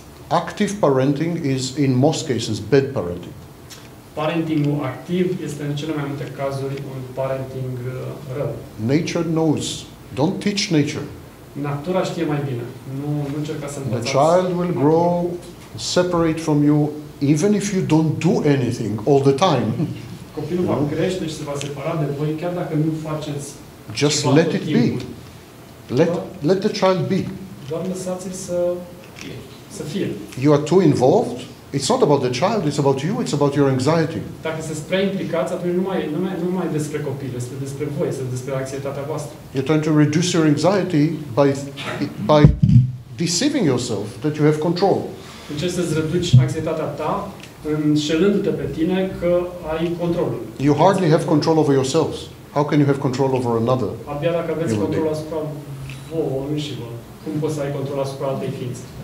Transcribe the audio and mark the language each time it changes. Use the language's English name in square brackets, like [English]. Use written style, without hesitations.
[English] Active parenting is in most cases bad parenting. [Romanian] Parentingul activ este în cele mai multe cazuri un parenting rău. [English] Nature knows. Don't teach nature. [Romanian] Natura știe mai bine. Nu încerca să învățați. [English] The child will grow separate from you even if you don't do anything all the time. [Romanian] Copilul va crește și se va separa de voi chiar dacă nu faceți. [English] Just let it be. Let the child be. [Romanian] Doar lăsați-l să fie. [English] You are too involved. It's not about the child, it's about you, it's about your anxiety. [Romanian] Dacă se prea implicați, atunci nu mai despre copil, este despre voi, este despre anxietatea voastră. [English] You're trying to reduce your anxiety by deceiving yourself that you have control. [Romanian] Încerci să-ți reduci anxietatea ta înșelându-te pe tine că ai controlul. [English] You hardly have control over yourselves. How can you have control over another? [Romanian] Abia dacă aveți control asupra vouă înșivă, cum poți să ai control asupra altei ființe?